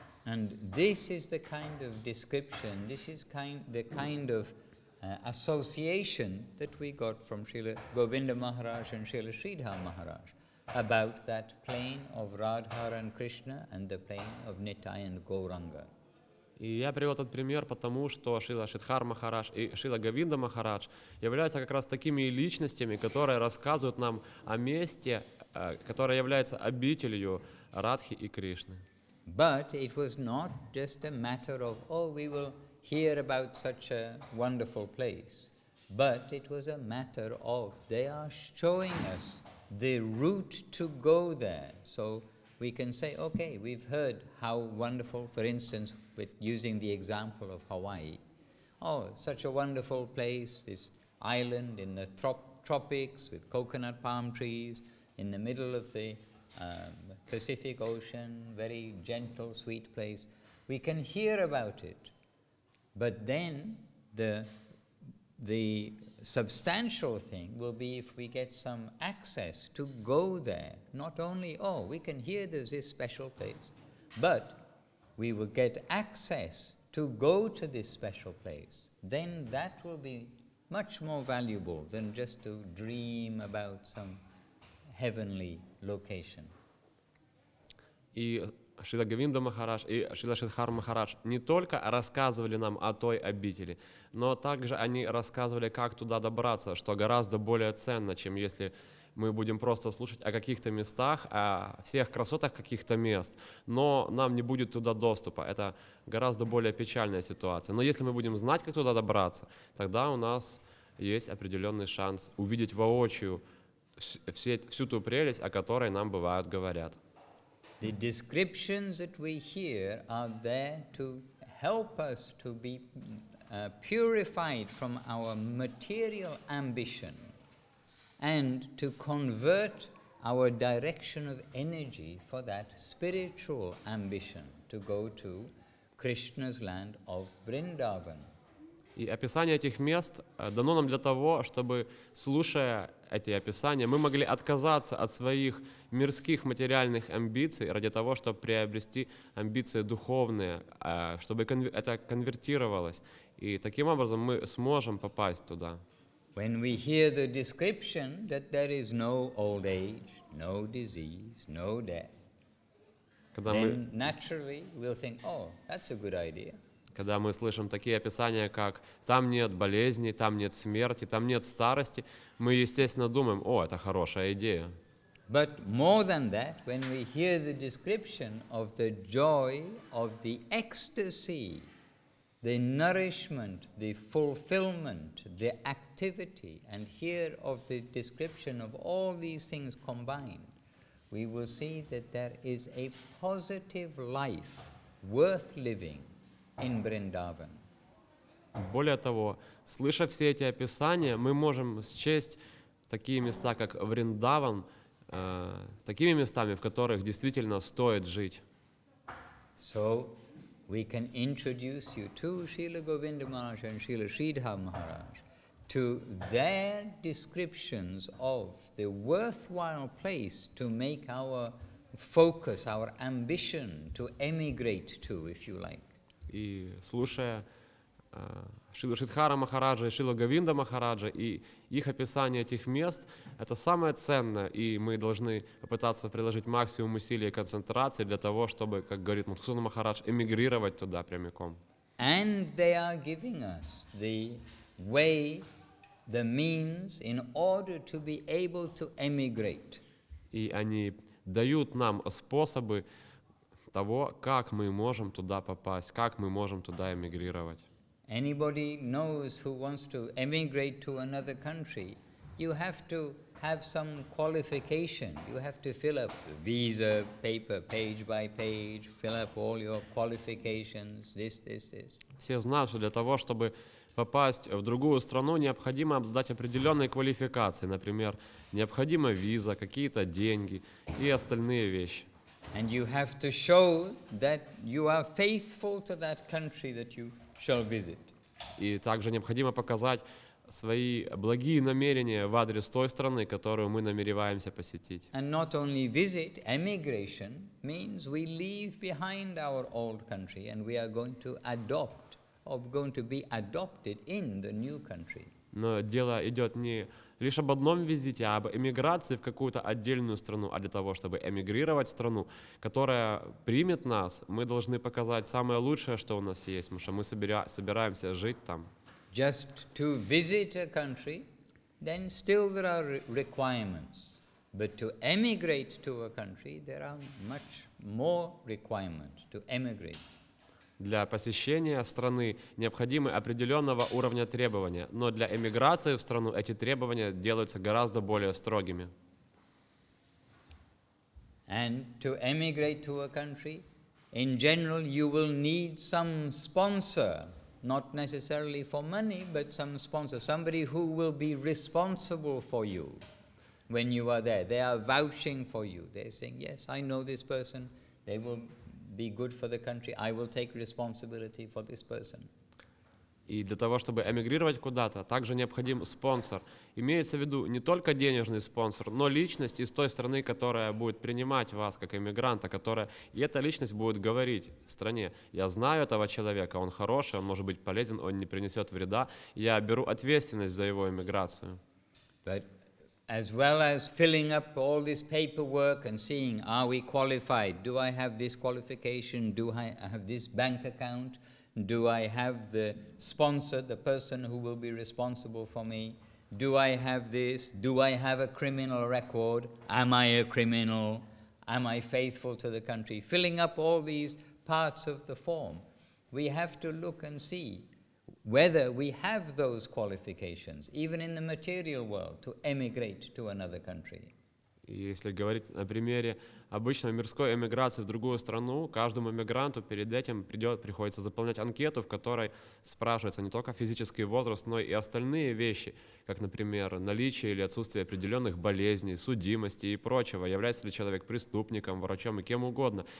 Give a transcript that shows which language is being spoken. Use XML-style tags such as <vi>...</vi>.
<en>And this is the kind of description, this is the kind of association that we got from Srila Govinda Maharaj and Srila Sridhar Maharaj about that plane of Radhar and Krishna and the plane of Nitai and Gauranga.</en> <ru>И я привел этот пример, потому что Шрила Шридхар Махарадж и Шрила Говинда Махарадж являются как раз такими личностями, которые рассказывают нам о месте, которое является обителью Радхи и Кришны.</ru> <en>But it was not just a matter of, oh, we will hear about such a wonderful place. But it was a matter of, they are showing us the route to go there. So we can say, okay, we've heard how wonderful, for instance, with using the example of Hawaii. Oh, such a wonderful place, this island in the tropics with coconut palm trees in the middle of the Pacific Ocean, very gentle, sweet place. We can hear about it. But then the substantial thing will be if we get some access to go there. Not only, oh, we can hear there's this special place, but we will get access to go to this special place. Then that will be much more valuable than just to dream about some heavenly location.</en> <ru>И Шрила Говинда Махарадж и Шрила Шридхар Махарадж не только рассказывали нам о той обители, но также они рассказывали, как туда добраться, что гораздо более ценно, чем если мы будем просто слушать о каких-то местах, о всех красотах каких-то мест, но нам не будет туда доступа. Это гораздо более печальная ситуация. Но если мы будем знать, как туда добраться, тогда у нас есть определенный шанс увидеть воочию всю ту прелесть, о которой нам бывают говорят.</ru> <en>The descriptions that we hear are there to help us to be purified from our material ambition and to convert our direction of energy for that spiritual ambition to go to Krishna's land of Vrindavan.</en> <ru>И описание этих мест дано нам для того, чтобы, слушая эти описания, мы могли отказаться от своих мирских материальных амбиций ради того, чтобы приобрести амбиции духовные, чтобы это конвертировалось. И таким образом мы сможем попасть туда.</ru> <en>When we hear the description that there is no old age, no disease, no death, then naturally we'll think, oh, that's a good idea.</en> <ru>Когда мы слышим такие описания, как «там нет болезней, там нет смерти, там нет старости», мы, естественно, думаем, о, это хорошая идея.</ru> <en>But more than that, when we hear the description of the joy of the ecstasy, the nourishment, the fulfillment, the activity, and hear of the description of all these things combined, we will see that there is a positive life worth living in Vrindavan.</en> <ru>Более того, слыша все эти описания, мы можем счесть такие места, как Вриндаван, такими местами, в которых действительно стоит жить.</ru> <en>So we can introduce you to Srila Govinda Maharaj and Srila Sridhar Maharaj to their descriptions of the worthwhile place to make our focus, our ambition to emigrate to, if you like.</en> <ru>И слушая Шрилу Шридхара Махараджа и Шрилу Говинда Махараджа и их описание этих мест, это самое ценное, и мы должны попытаться приложить максимум усилий и концентрации для того, чтобы, как говорит Мадхусудана Махарадж, эмигрировать туда прямиком.</ru> <en>And they are giving us the way, the means in order to be able to emigrate.</en> <ru>И они дают нам способы того, как мы можем туда попасть, как мы можем туда эмигрировать.</ru> <en>Anybody knows who wants to emigrate to another country, you have to have some qualification. You have to fill up visa paper page by page, fill up all your qualifications, this.</en> <ru>Все знают, что для того, чтобы попасть в другую страну, необходимо обладать определенной квалификацией. Например, необходима виза, какие-то деньги и остальные вещи.</ru> <en>And you have to show that you are faithful to that country that you shall visit.</en> <ru>И также необходимо показать свои благие намерения в адрес той страны, которую мы намереваемся посетить.</ru> <en>And not only visit, emigration means we leave behind our old country and we are going to adopt or going to be adopted in the new country.</en> <ru>Но дело идет не лишь об одном визите, а об эмиграции в какую-то отдельную страну. А для того, чтобы эмигрировать в страну, которая примет нас, мы должны показать самое лучшее, что у нас есть, потому что мы собираемся жить там.</ru> <en>Just to visit a country, then still there are requirements. But to emigrate to a country, there are much more requirements to emigrate.</en> <ru>Для посещения страны необходимы определенного уровня требования, но для эмиграции в страну эти требования делаются гораздо более строгими.</ru> <en>And to emigrate to a country, in general, you will need some sponsor, not necessarily for money, but some sponsor, somebody who will be responsible for you when you are there. They are vouching for you. They're saying, yes, I know this person. They will be good for the country. I will take responsibility for this person.</en> <ru>И для того, чтобы эмигрировать куда-то, также необходим спонсор. Имеется в виду не только денежный спонсор, но личность из той страны, которая будет принимать вас как эмигранта, которая и эта личность будет говорить стране: я знаю этого человека, он хороший, он может быть полезен, он не принесет вреда, я беру ответственность за его эмиграцию.</ru> <en>But as well as filling up all this paperwork and seeing, are we qualified? Do I have this qualification? Do I have this bank account? Do I have the sponsor, the person who will be responsible for me? Do I have this? Do I have a criminal record? Am I a criminal? Am I faithful to the country? Filling up all these parts of the form, we have to look and see whether we have those qualifications, even in the material world, to emigrate to another country.</en> <ru>Если говорить на примере обычной мирской эмиграции в другую страну, каждому эмигранту перед этим приходится заполнять анкету, в которой спрашивается не только физический возраст, но и остальные вещи, как, например, наличие или отсутствие определенных болезней, судимости и прочего, является ли человек преступником, врачом и кем угодно.</ru>